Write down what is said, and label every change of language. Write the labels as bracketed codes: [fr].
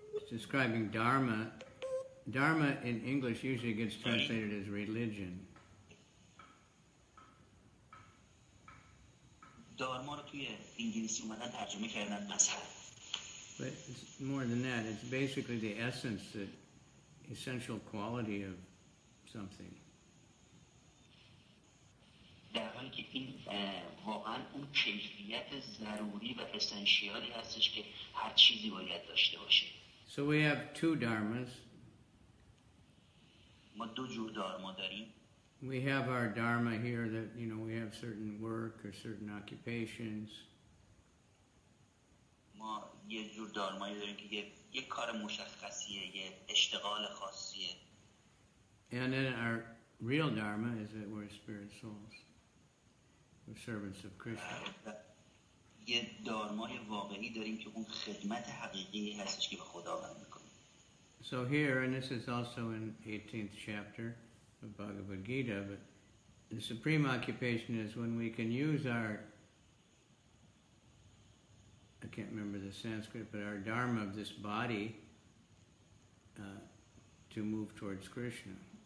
[en] So, describing Dharma. Dharma in English usually gets translated as religion. [fa] Dharma رو توی انگلیسی اومدن ترجمه کردن مذهب. [en] But it's more than that. It's basically the essence, the essential quality of something. [fa] در حالی که این واقعا اون کیفیت ضروری و اسنشیالی هستش که هر چیزی باید داشته باشه. [en] So we have two dharmas. [fa] ما دو جور دارما داریم. [en] We have our dharma here that, you know, we have certain work or certain occupations. [fa] ما یه جور دارمایی داریم که یه کار مشخصیه، یه اشتغال خاصیه. [en] And then our real dharma is that we're spirit souls. We're servants of Krishna. [fa] یه دارمای واقعی داریم که اون خدمت حقیقی هستش که به خداوند می‌کنیم. [en] So here, and this is also in 18th chapter of Bhagavad Gita, but the supreme occupation is when we can use our, I can't remember the Sanskrit, but our dharma of this body to move towards Krishna.